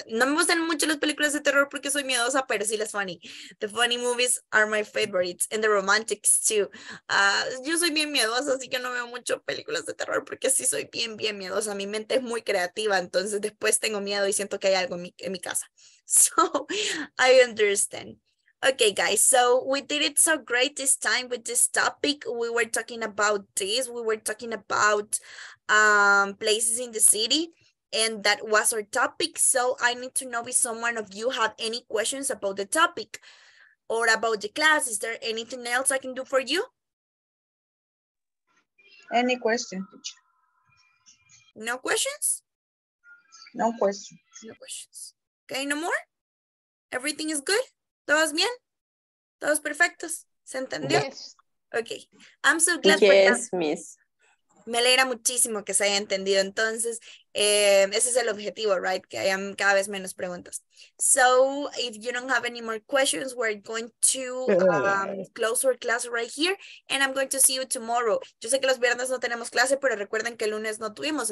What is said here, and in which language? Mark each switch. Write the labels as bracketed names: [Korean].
[Spanish] No me gustan mucho las películas de terror porque soy miedosa, pero sí las [English] funny. The funny movies are my favorites and the romantics too. [Spanish] Yo soy bien miedosa, así que no veo mucho películas de terror porque sí soy bien, bien miedosa. Mi mente es muy creativa, entonces después tengo miedo y siento que hay algo en mi casa. [English] So, I understand. Okay, guys, so we did it so great this time with this topic. We were talking about this. We were talking about places in the city, and that was our topic. So I need to know if someone of you have any questions about the topic or about the class. Is there anything else I can do for you? Any questions? No questions? No questions. No questions. Okay, no more? Everything is good? [Spanish] ¿Todos bien? ¿Todos perfectos? ¿Se entendió? [English] Yes. Ok. I'm so glad. Yes, miss. [Spanish] Me alegra muchísimo que se haya entendido. Entonces, ese es el objetivo, [English] right? [Spanish] Que hayan cada vez menos preguntas. [English] So, if you don't have any more questions, we're going to close our class right here. And I'm going to see you tomorrow. [Spanish] Yo sé que los viernes no tenemos clase, pero recuerden que el lunes no tuvimos.